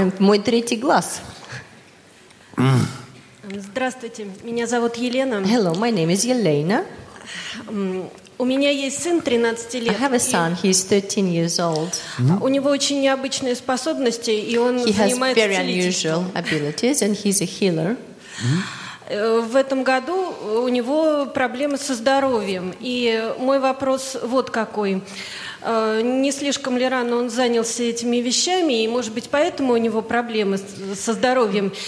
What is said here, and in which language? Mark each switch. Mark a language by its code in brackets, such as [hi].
[ru] Мой третий глаз. Здравствуйте, меня зовут Елена. [en] Hello, my name is Елена. [ru] У меня есть сын 13 лет. [en] I have a son, he's 13 years old. [ru] У него очень необычные способности, и он занимается целительством. [en] He has very unusual abilities, and he's a healer. [ru] В этом году у него проблемы со здоровьем. И мой вопрос вот какой. Не слишком ли рано он занялся этими вещами? И, может быть, поэтому у него проблемы со здоровьем?